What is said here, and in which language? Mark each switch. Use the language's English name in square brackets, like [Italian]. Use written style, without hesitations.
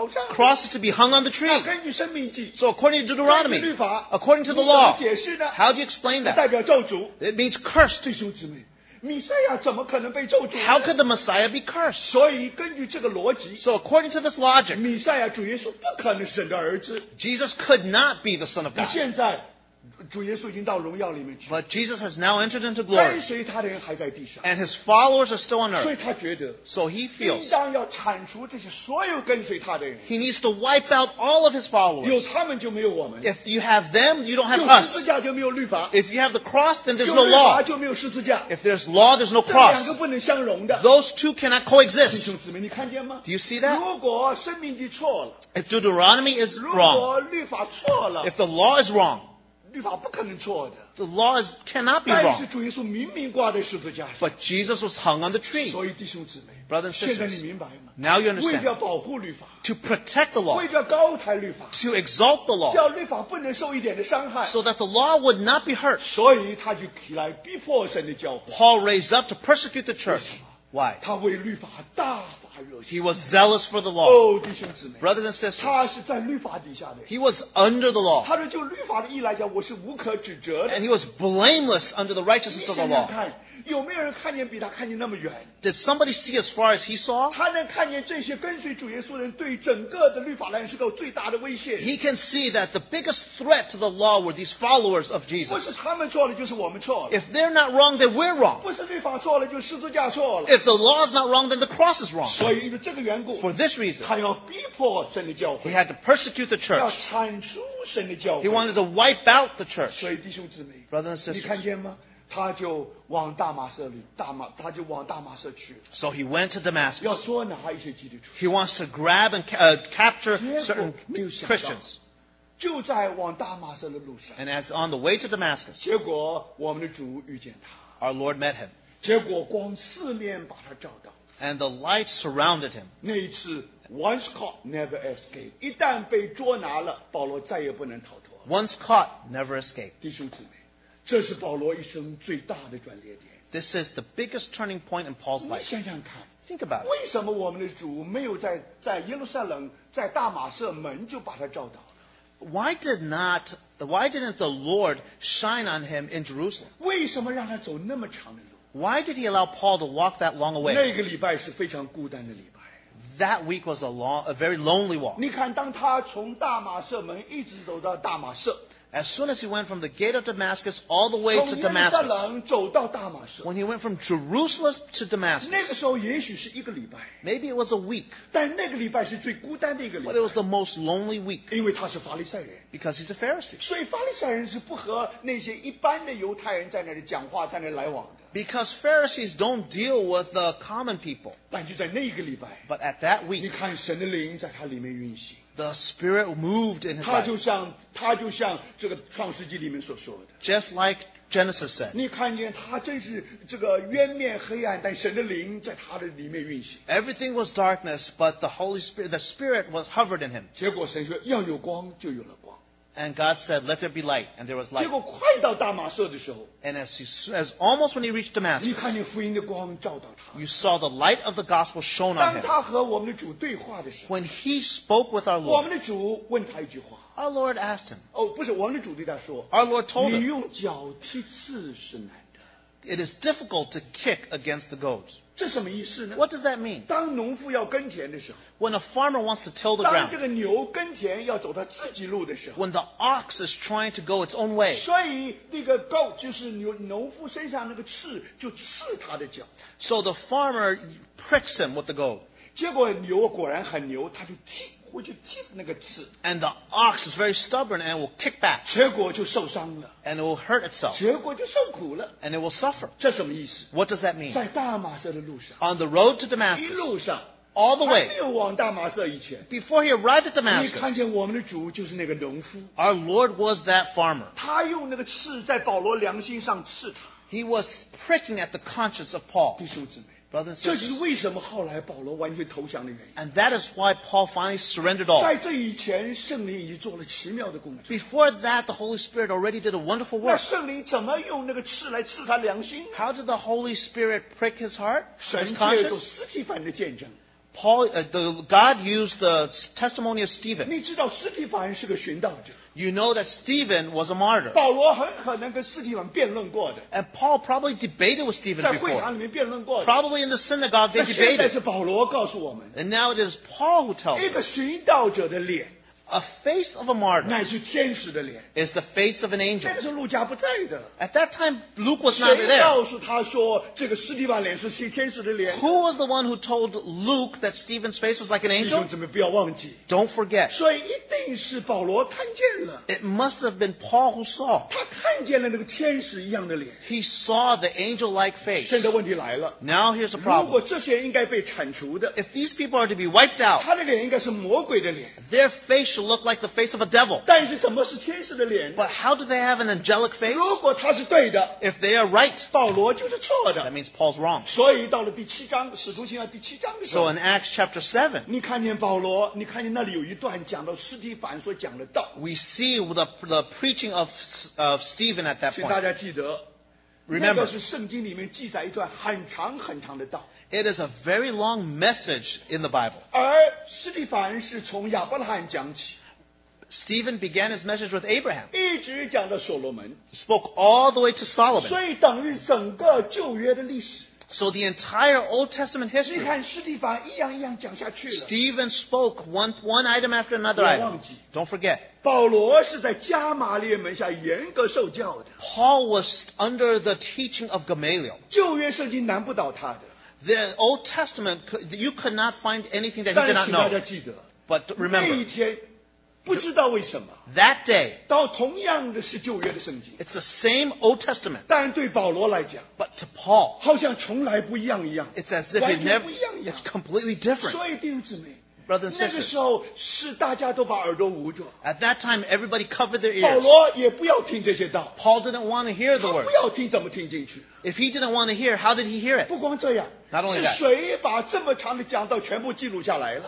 [English] Cross is to be hung on the tree. So according to Deuteronomy, according to the law, how do you explain that? It means cursed. How could the Messiah be cursed? So according to this logic, Jesus could not be the Son of God. [Chinese] 主耶稣已经到荣耀里面去。 [English] But Jesus has now entered into glory. [Chinese] 跟随他的人还在地上。 [English] And his followers are still on earth. [Chinese] 所以他觉得。 [English] So he feels. [Chinese] 应当要铲除这些所有跟随他的人。 [English] He needs to wipe out all of his followers. [Chinese] 有他们就没有我们。 [English] If you have them, you don't have us. [Chinese] 有十字架就没有律法。 [English] If you have the cross, then there's no law. [Chinese] 有律法就没有十字架。 [English] If there's law, there's no cross. [Chinese] 这两个不能相容的。 [English] Those two cannot coexist. [Chinese] 弟兄姊妹，你看见吗？ [English] Do you see that? [Chinese] 如果申命记错了。 [English] If Deuteronomy is wrong. [Chinese] 如果律法错了。 [English] If the law is wrong. [Chinese] 律法不可能错的。 [English] The law cannot be wrong. [Chinese] 但是主耶稣明明挂在十字架上。 [English] But Jesus was hung on the tree. [Chinese] 所以弟兄姊妹。 [English] Brothers and sisters. [Chinese] 现在你明白吗？ [English] Now you understand. [Chinese] 为了保护律法。 [English] To protect the law. [Chinese] 为了高抬律法。 [English] To exalt the law. [Chinese] 叫律法不能受一点的伤害。 [English] So that the law would not be hurt. [Chinese] 所以他就起来逼迫神的教会。 [English] Paul raised up to persecute the church. Why? [Chinese] 他为律法大。 [English] He was zealous for the law. [Chinese] Oh, 弟兄姊妹, [English] brothers and sisters, [Chinese] 他是在律法底下的。 [English] He was under the law. [Chinese] 他说就律法的义来讲，我是无可指责的。 [English] And he was blameless under the righteousness of the law. [Chinese] 你想想看，有没有人看见比他看见那么远？ [English] Did somebody see as far as he saw? [Chinese] 他能看见这些跟随主耶稣人对整个的律法来说是个最大的威胁。 [English] He can see that the biggest threat to the law were these followers of Jesus. [Chinese] 不是他们错了，就是我们错了。 [English] If they're not wrong, then we're wrong. [Chinese] 不是律法错了，就是十字架错了。 [English] If the law is not wrong, then the cross is wrong. [Chinese] 所以因为这个缘故 [English] For this reason, [Chinese] 他要逼迫神的教会 [English] He had to persecute the church [Chinese] 要铲除神的教会 [English] He wanted to wipe out the church [Chinese] 所以弟兄姊妹 [English] Brothers and sisters [Chinese] 你看见吗他就往大马色里大马他就往大马色去 [English] So he went to Damascus [Chinese] 要捉拿一些基督徒 [English] He wants to grab and capture certain Christians [Chinese] 就在往大马色的路上 [English] And as on the way to Damascus [Chinese] 结果我们的主遇见他 [English] Our Lord met him [Chinese] 结果光四面把他照到 [English] And the light surrounded him. [Chinese] 那一次 [English] once caught, never escaped. [Chinese] 一旦被捉拿了，保罗再也不能逃脱。 [English] Once caught, never escaped. [Chinese] 弟兄姊妹，这是保罗一生最大的转捩点。 [English] This is the biggest turning point in Paul's life. [Chinese] 你想想看 [English] ，think about it. [Chinese] 为什么我们的主没有在耶路撒冷，在大马色门就把他照到？ [English] Why didn't the Lord shine on him in Jerusalem? [Chinese] 为什么让他走那么长的路？ [English] Why did he allow Paul to walk that long away? [Chinese] 那个礼拜是非常孤单的礼拜。 [English] That week was a very lonely walk. [Chinese] 你看，当他从大马色门一直走到大马色。 [English] As soon as he went from the gate of Damascus all the way to Damascus. [Chinese] 从耶路撒冷走到大马色。 [English] When he went from Jerusalem to Damascus. [Chinese] 那个时候也许是一个礼拜。 [English] Maybe it was a week. [Chinese] 但那个礼拜是最孤单的一个礼拜。 [English] But it was the most lonely week. [Chinese] 因为他是法利赛人。 [English] Because he's a Pharisee. [Chinese] 所以法利赛人是不和那些一般的犹太人在那里讲话，在那里来往。 [English] Because Pharisees don't deal with the common people. [Chinese] 但就在那一个礼拜, [English] But at that week, [Chinese] 你看神的灵在他里面运行, [English] the Spirit moved in his life. [Chinese] 他就像这个创世纪里面所说的, [English] Just like Genesis said. [Chinese] 你看见他真是这个渊面黑暗, 但神的灵在他的里面运行, [English] Everything was darkness, but the Spirit was hovered in him. [Chinese] 结果神说, 要有光就有了光。 [English] And God said, let there be light. And there was light. [Chinese] 结果快到大马色的时候, [English] and as almost when he reached Damascus, [Chinese] 你看见福音的光照到他, [English] you saw the light of the gospel shone on him. [Chinese] 当他和我们的主对话的时候, [English] when he spoke with our Lord, [Chinese] 我们的主问他一句话, [English] our Lord asked him, [Chinese] oh, 不是, 我们的主对他说, [English] our Lord told him, [Chinese] 你用脚踢刺是难的, [English] It is difficult to kick against the goats. [Chinese] 这什么意思呢? [English] What does that mean? [Chinese] 当农夫要耕田的时候, [English] when a farmer wants to till the ground, [Chinese] 当这个牛耕田要走他自己路的时候, [English] when the ox is trying to go its own way, [Chinese] 所以那个 goat 就是牛农夫身上那个刺就刺他的脚。 [English] So the farmer pricks him with the goat. [Chinese] 结果牛果然很牛，他就踢。 [English] And the ox is very stubborn and will kick back. [Chinese] 结果就受伤了。 [English] And it will hurt itself. [Chinese] 结果就受苦了。 [English] And it will suffer. [Chinese] 这什么意思? [English] What does that mean? [Chinese] 在大马色的路上。 [English] On the road to Damascus. [Chinese] 一路上。 [English] All the way. [Chinese] 还没有往大马色以前。 [English] Before he arrived at Damascus. [Chinese] 你看见我们的主就是那个农夫。 [English] Our Lord was that farmer. [Chinese] 他用那个刺在保罗良心上刺他。 [English] He was pricking at the conscience of Paul. [Chinese] 弟兄姊妹。 [English] Brothers and sisters, [Chinese] 这就是为什么后来保罗完全投降的原因。 [English] And that is why Paul finally surrendered all. [Chinese] 在这以前，圣灵已经做了奇妙的工作。 [English] Before that, the Holy Spirit already did a wonderful work. [Chinese] 那圣灵怎么用那个刺来刺他良心？ [English] How did the Holy Spirit prick his heart? [Chinese] 神借着斯提凡的见证。 [English] Paul, God used the testimony of Stephen. [Chinese] 你知道斯提凡是个殉道者。 [English] You know that Stephen was a martyr. [Chinese] 保罗很可能跟斯提凡辩论过的。 [English] And Paul probably debated with Stephen before. [Chinese] 在会堂里面辩论过的。 [English] Probably in the synagogue they debated. [Chinese] 那现在是保罗告诉我们。 [English] And now it is Paul who tells us. [Chinese] 一个殉道者的脸。 [English] A face of a martyr. [Chinese] 乃是天使的脸。 [English] Is the face of an angel. [Chinese] 那个时候路加不在的。 [English] At that time, Luke was not there. [Chinese] 谁告诉他说这个斯提凡脸是天使的脸？ [English] Who was the one who told Luke that Stephen's face was like an angel? [Chinese] 弟兄姊妹不要忘记。 [English] Don't forget. [Chinese] 所以一定是保罗看见了。 [English] It must have been Paul who saw. [Chinese] 他看见了那个天使一样的脸。 [English] He saw the angel-like face. [Chinese] 现在问题来了。 [English] Now here's a problem. [Chinese] 如果这些应该被铲除的。 [English] If these people are to be wiped out. [Chinese] 他的脸应该是魔鬼的脸。 [English] Their facial look like the face of a devil. [Chinese] 但是怎么是天使的脸? [English] But how do they have an angelic face? [Chinese] 如果他是对的, [English] if they are right, [Chinese] 保罗就是错的。 [English] That means Paul's wrong. [Chinese] 所以到了第七章, 使徒行传第七章的时候, [English] so in Acts chapter 7, [Chinese] 你看见保罗, 你看见那里有一段讲到斯提凡所讲的道。 [English] We see the preaching of Stephen at that point. [Chinese] 请大家记得, [English] remember, [Chinese] 那个是圣经里面记载一段很长很长的道。 [English] It is a very long message in the Bible. [Chinese] 而斯提凡是从亚伯拉罕讲起。 [English] Stephen began his message with Abraham. [Chinese] 一直讲到所罗门。 [English] Spoke all the way to Solomon. [Chinese] 所以等于整个旧约的历史。 [English] So the entire Old Testament history. [Chinese] 你看斯蒂凡一样一样讲下去了。 [English] Stephen spoke one item after another item. [Chinese] 忘记。 [English] Don't forget. [Chinese] 保罗是在加玛列门下严格受教的。 [English] Paul was under the teaching of Gamaliel. [Chinese] 旧约圣经难不倒他的。 [English] The Old Testament, you could not find anything that he did not know. [Chinese] 但是大家记得。 [English] But remember. [Chinese] 那一天不知道为什么 [English] That day, [Chinese] 到同样的是旧约的圣经 [English] It's the same Old Testament. [Chinese] 但对保罗来讲 [English] But to Paul, [Chinese] 好像从来不一样一样 [English] It's as if it never, it's completely different. [Chinese] 所以弟兄姊妹 [English] Brothers and sisters, [Chinese] 那个时候是大家都把耳朵捂住 [English] At that time, everybody covered their ears. [Chinese] 保罗也不要听这些道 [English] Paul didn't want to hear the words. [Chinese] 他不要听怎么听进去 [English] If he didn't want to hear, how did he hear it? [Chinese] 不光这样 [English] Not only that, [Chinese] 是谁把这么长的讲道全部记录下来了